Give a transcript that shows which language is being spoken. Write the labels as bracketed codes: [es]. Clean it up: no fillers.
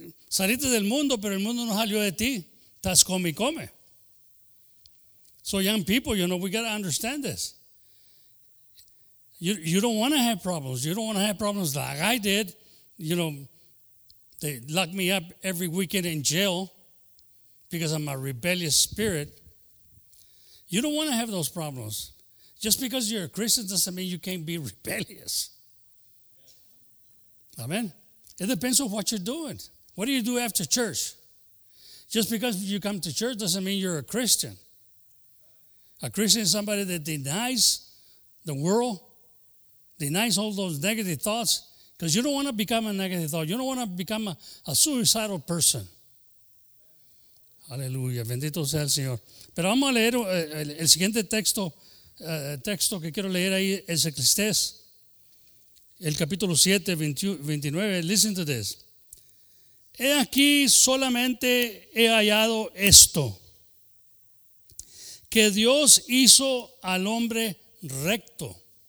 [es] Saliste del mundo, pero el mundo no salió de ti. Estás come y come. [en] So young people, you know, we got to understand this. You don't want to have problems. You don't want to have problems like I did. You know, they lock me up every weekend in jail because I'm a rebellious spirit. You don't want to have those problems. Just because you're a Christian doesn't mean you can't be rebellious. Amen. It depends on what you're doing. What do you do after church? Just because you come to church doesn't mean you're a Christian. A Christian is somebody that denies the world, denies all those negative thoughts, because you don't want to become a negative thought. You don't want to become a suicidal person. [es] Aleluya. Bendito sea el Señor. Pero vamos a leer el siguiente texto, texto que quiero leer ahí, Ezequiel, el capítulo 7, 29. [en] Listen to this. [es] He aquí solamente he hallado esto, que Dios hizo al hombre recto.